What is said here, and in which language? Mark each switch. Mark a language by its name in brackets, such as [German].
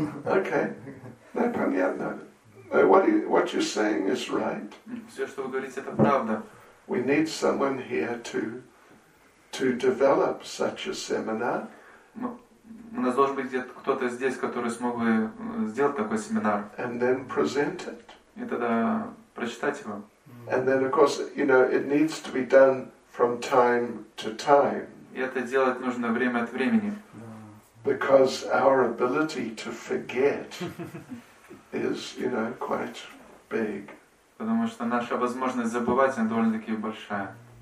[Russian] Окей. Ну, понятно. [English] What you're saying is right. [Russian] Все, что вы говорите, это правда. [English] We need someone here to develop such a seminar. [Russian] У нас должен быть кто-то здесь, который смог бы сделать такой семинар. [English] And then present it. [Russian] И тогда прочитать его. [English] And then, of course, you know, it needs to be done from time to time. [Russian] И это делать нужно время от времени. [English] Because our ability to forget is, you know, quite big. [Russian] Потому что наша возможность забывать, она довольно-таки большая.